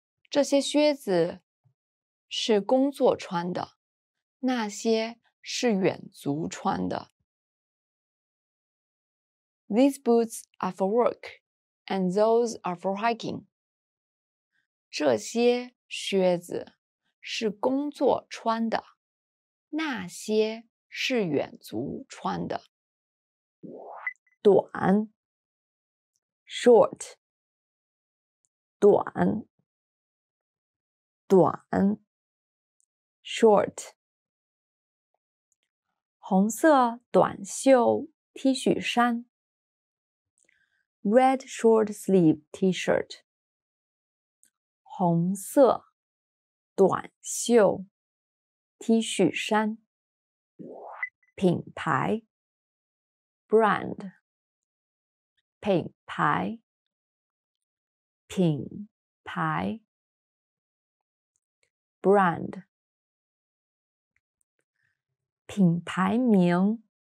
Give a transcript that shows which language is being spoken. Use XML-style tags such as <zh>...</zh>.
<zh>这些靴子是工作穿的那些是远足穿的</zh> <en>These boots are for work and those are for hiking</en> <zh>这些靴子是工作穿的，那些是远足穿的。短 ，short， 短，短 ，short。红色短袖 T 恤衫 ，</zh> <en>red short sleeve T-shirt。</en> <zh>红色短袖 T 恤衫品牌 brand 品牌品牌 brand 品牌名</zh>